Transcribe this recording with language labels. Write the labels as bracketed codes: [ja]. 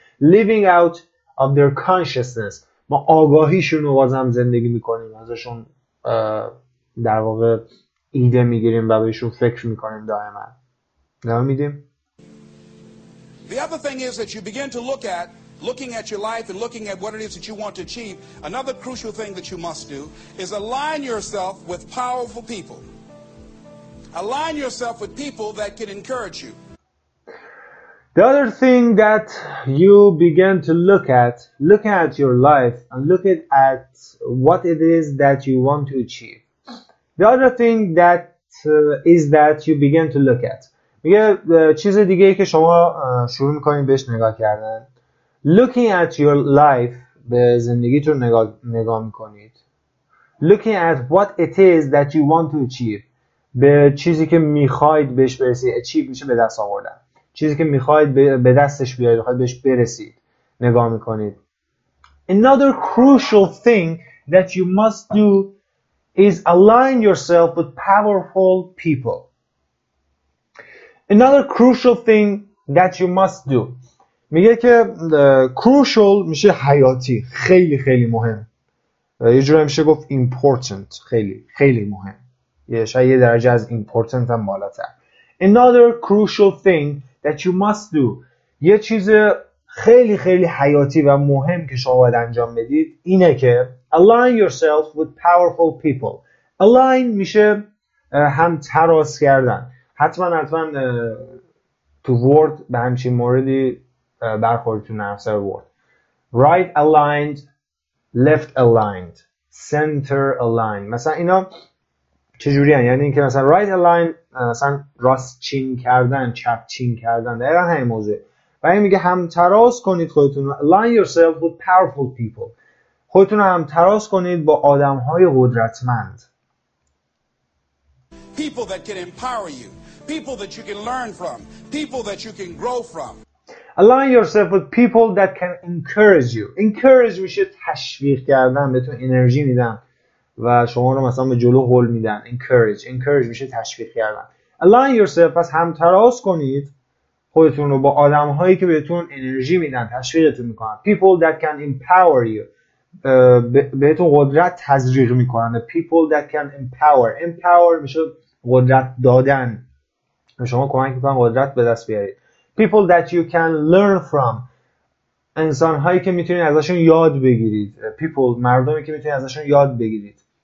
[en] Living out of their consciousness، [fa] ما آگاهیشون رو بازم زندگی میکنیم، ازشون در واقع ایده میگیریم و بهشون فکر میکنیم دائما. نمی دیم. [en] The other thing is that you begin to looking at your life and looking at what it is that you want to achieve. Another crucial thing that you must do is align yourself with powerful people. Align yourself with people that can encourage you. The other thing that you begin to look at your life and look at what it is that you want to achieve. The other thing that is that you begin to look at. [fa] میگه چیز دیگه ای که شما شروع میکنید بهش نگاه کردن. [en] Looking at your life، [fa] به زندگیتون نگاه میکنید. [en] Looking at what it is that you want to achieve، [fa] به چیزی که میخواید بهش برسید. Achieve میشه به دست آوردن، چیزی که میخواید به دستش بیارید، میخواید بهش برسید، نگاه میکنید. [en] Another crucial thing that you must do is align yourself with powerful people. Another crucial thing that you must do. [fa] میگه که crucial میشه حیاتی، خیلی خیلی مهم. یه جوری میشه گفت important، خیلی خیلی مهم. شاید یه درجه از important هم بالاتر. [en] Another crucial thing that you must do. [fa] یه چیز خیلی خیلی حیاتی و مهم که شما باید انجام بدید اینه که [en] align yourself with powerful people. [fa] Align میشه هم تراس کردن. حتما تو ورد به همچین موردی برخورید، تو نفسه ورد. [en] Right aligned، left aligned، center aligned. [fa] مثلا اینا چجوری هن؟ یعنی اینکه مثلا [en] right aligned [fa] مثلا راست چین کردن، چپ چین کردن، دقیقا همین موضوع. و این میگه هم تراز کنید خودتون، [en] align yourself with powerful people، [fa] خودتون هم تراز کنید با آدم های قدرتمند. [en] People that can empower you، people that you can learn from، people that you can grow from. Align yourself with people that can encourage you. [fa] Encourage میشه تشویق کردن، بهتون انرژی میدن و شما رو مثلا به جلو هل میدن. Encourage میشه تشویق کردن. [en] Align yourself، [fa] پس همتراز کنید خودتون رو با آدم هایی که بهتون انرژی میدن، تشویقتون میکنن. [en] People that can empower you، [fa] بهتون قدرت تزریق میکنن. [en] People that can empower. [fa] Empower میشه قدرت دادن، شما کمک میکنن قدرت به دست بیارید. [en] People that you can learn from، [fa] انسان هایی که میتونید ازشون یاد بگیرید. People، مردمی که میتونید ازشون یاد بگیرید.